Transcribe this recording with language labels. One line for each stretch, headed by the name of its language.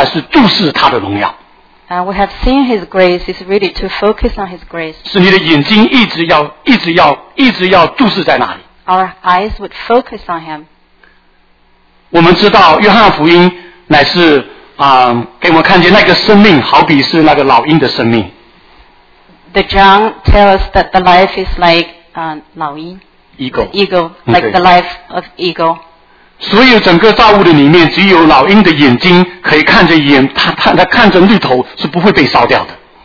Chinese: 这里说见过他的荣耀,实在说来是注视他的荣耀。
English: We have seen His grace, it's really to focus on His grace.
Chinese: 是你的眼睛一直要注视在那里。
English: Our eyes would focus on Him.
Chinese: 我们知道约翰福音乃是 给我们看见那个生命好比是那个老鹰的生命。
English: The John tells us that the life is like
Chinese: 老鹰。
English: Eagle, the life of eagle.
Chinese: 所有整个造物的里面只有老鹰的眼睛可以看着绿头是不会被烧掉的。